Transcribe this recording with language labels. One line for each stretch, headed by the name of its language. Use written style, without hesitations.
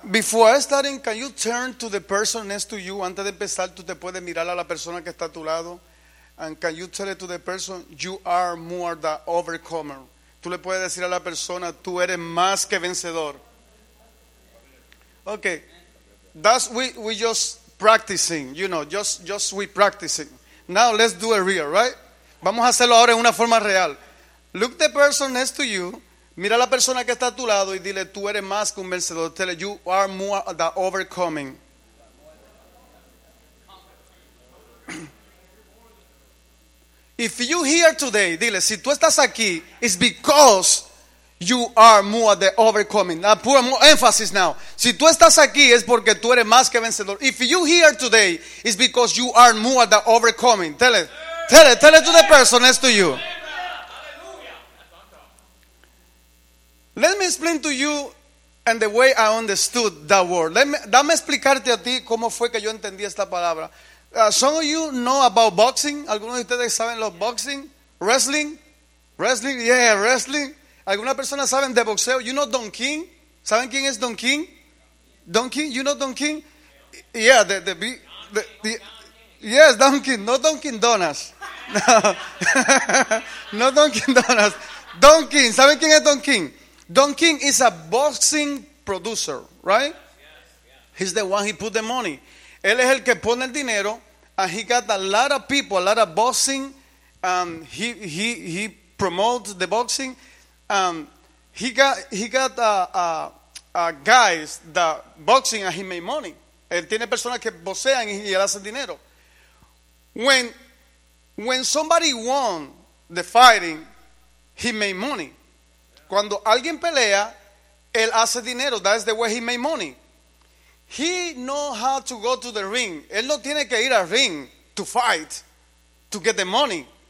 English: Before starting, can you turn to the person next to you?
Spanish: Antes de empezar, tú te puedes mirar a la persona que está a tu lado.
English: And can you tell it to the person, you are more than overcomer.
Spanish: Tú le puedes decir a la persona, tú eres más que vencedor.
English: Okay. That's we just practicing, you know, just we practicing. Now let's do it real, right?
Spanish: Vamos a hacerlo ahora en una forma real.
English: Look the person next to you.
Spanish: Mira a la persona que está a tu lado y dile, tú eres más que un vencedor.
English: Tell her, you are more than overcoming. If you here today,
Spanish: dile, si tú estás aquí,
English: it's because you are more than overcoming. Now, put more emphasis now.
Spanish: Si tú estás aquí, es porque tú eres más que vencedor.
English: If you here today, it's because you are more than overcoming. Tell it to the person next to you. Let me explain to you And the way I understood that word.
Spanish: Dame explicarte a ti cómo fue que yo entendí esta palabra.
English: Some of you know about boxing.
Spanish: ¿Algunos de ustedes saben lo boxing?
English: Wrestling? Wrestling? Yeah, wrestling.
Spanish: ¿Alguna persona saben de boxeo?
English: You know Don King?
Spanish: ¿Saben quién es Don King?
English: Don King? You know Don King? Yeah, the yes, Don King. No Don King Donuts. No. No Don King Donuts. Don King.
Spanish: ¿Saben quién es Don King?
English: Don King is a boxing producer, right? He's the one who put the money.
Spanish: Él es el que pone el dinero.
English: And he got a lot of people, a lot of boxing. He promotes the boxing. He got guys that boxing and he made money.
Spanish: Él tiene personas que boxean y él hace dinero.
English: When somebody won the fighting, he made money.
Spanish: Cuando alguien pelea, él hace dinero.
English: That is the way he made money. He know how to go to the ring.
Spanish: Él no tiene que ir al ring
English: to fight, to get the money.